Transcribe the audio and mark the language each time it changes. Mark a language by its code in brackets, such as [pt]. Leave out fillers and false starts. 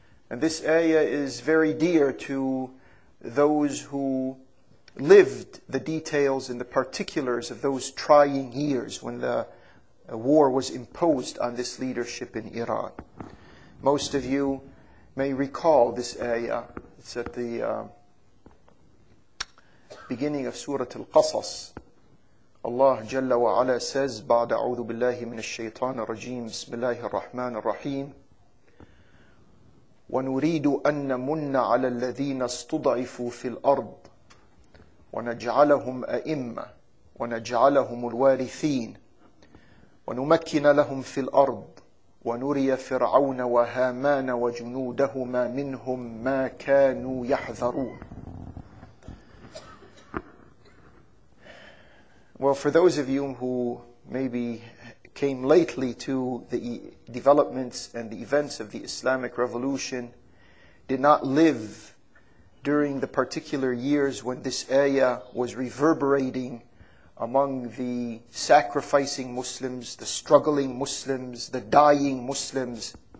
[en] And this ayah is very dear to those who lived the details and the particulars of those trying years when the war was imposed on this leadership in Iran. Most of you may recall this ayah. It's at the beginning of Surah Al-Qasas. Allah Jalla wa Ala says, [ar] بعد أعوذ بالله من الشيطان الرجيم بسم الله الرحمن الرحيم ونريد أن نمن على الذين استضعفوا في الأرض ونجعلهم أئمة ونجعلهم الوارثين ونمكن لهم في الأرض ونري فرعون وهامان وجنودهما منهم ما كانوا يحذرون. [en] Well, for those of you who maybe came lately to the developments and the events of the Islamic Revolution, did not live during the particular years when this ayah was reverberating among the sacrificing Muslims, the struggling Muslims, the dying Muslims.